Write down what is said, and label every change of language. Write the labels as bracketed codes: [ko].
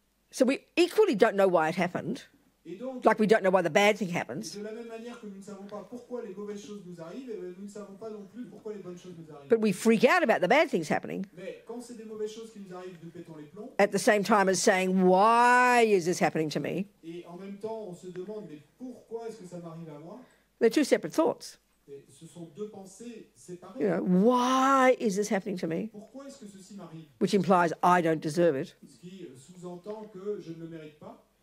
[en] So we equally don't know why it happened. [fr] Donc, [en] like we don't know why the bad thing happens. [fr] De la même manière que nous ne savons pas pourquoi les mauvaises choses nous arrivent, et nous ne savons pas non plus pourquoi les bonnes choses nous arrivent. [en] But we freak out about the bad things happening. [fr] Mais quand c'est des mauvaises choses qui nous arrivent, nous pétons les plombs. [en] At the same time as saying, why is this happening to me? [fr] Et en même temps, on se demande, mais pourquoi est-ce que ça m'arrive à moi? [en] They're two separate thoughts. [fr] Ce sont deux pensées séparées. [en] You know, why is this happening to me? [fr] Pourquoi est-ce que ceci m'arrive? [en] Which implies I don't deserve it. [fr] Ce qui sous-entend que je ne le mérite pas.